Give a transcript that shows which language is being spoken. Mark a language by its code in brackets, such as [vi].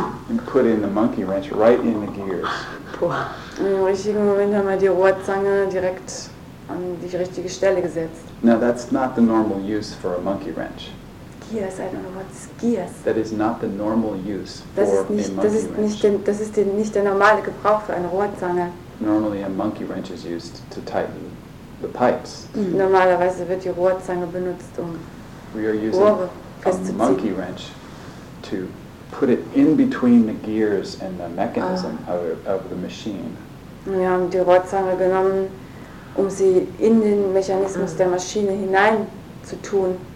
[en] And put in the monkey wrench right in the gears. [de] Im richtigen Moment haben wir die Rohrzange direkt an die richtige Stelle gesetzt. [en] Now that's not the normal use for a monkey wrench. Gears, I don't know what's gears. That is not the normal use for a monkey wrench. [de] Das ist nicht, nicht der normale Gebrauch für eine Rohrzange. [en] Normally a monkey wrench is used to tighten the pipes. [de] Normalerweise wird die Rohrzange benutzt, um Rohre festzuziehen. [en] A monkey wrench to put it in between the gears and the mechanism of the machine. [de] Wir haben die Rohrzange genommen, um sie in den Mechanismus der Maschine hinein zu tun.